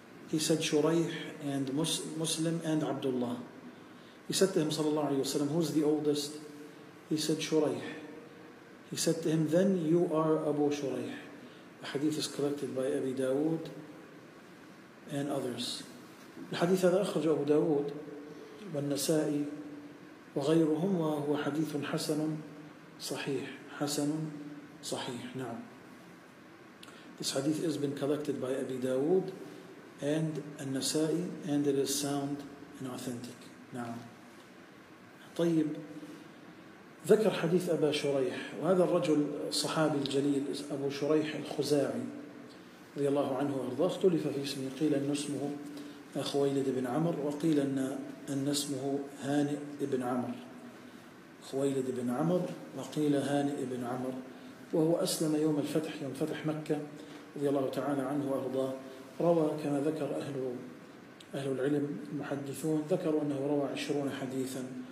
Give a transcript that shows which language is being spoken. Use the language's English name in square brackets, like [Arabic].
[English] He said Shuraih and Muslim and Abdullah. He said to him, sallallahu alayhi wa sallam, who's the oldest? He said, Shuraih. He said to him, then you are Abu Shuraih. The hadith is collected by Abi Dawood and others. The hadith [Arabic] هذا أخرج أبو داود والنسائي وغيرهم وهو حديث حسن صحيح حسن صحيح نعم. [English] This hadith has been collected by Abi Dawood and النسائي and it is sound and authentic. [Arabic] نعم. طيب ذكر حديث أبا شريح وهذا الرجل صحابي الجليل أبو شريح الخزاعي رضي الله عنه وأرضاه اختلف في اسمه قيل أن اسمه خويلد بن عمر وقيل أن اسمه هانئ بن عمر خويلد بن عمر وقيل هانئ بن عمر وهو أسلم يوم الفتح يوم فتح مكة رضي الله تعالى عنه وأرضاه روى كما ذكر أهل العلم المحدثون ذكروا أنه روى 20 حديثا